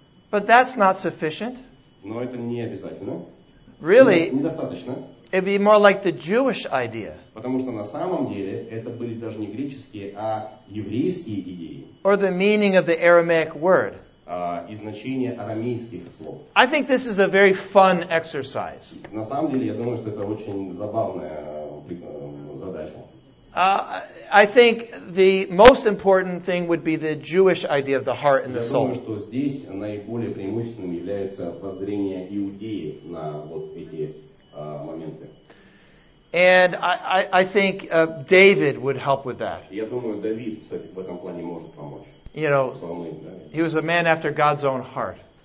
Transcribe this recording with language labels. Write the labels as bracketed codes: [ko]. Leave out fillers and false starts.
[en] But that's not sufficient. [ru] Но это не обязательно. [en] Really? [ru] Недостаточно. [en] It'd be more like the Jewish idea. [ru] Потому что на самом деле это были даже не греческие, а еврейские идеи. [en] Or the meaning of the Aramaic word. [ru] И значение арамейских слов. [en] I think this is a very fun exercise. [ru] На самом деле, я думаю, что это очень забавная задача. [en] I think the most important thing would be the Jewish idea of the heart and the soul. [ru] Я думаю, что здесь наиболее преимущественным является воззрение иудеев на вот эти моменты. [en] And I think David would help with that. [ru] Я думаю, Давид, кстати, в этом плане может помочь. [en] You know, he was a man after God's own heart.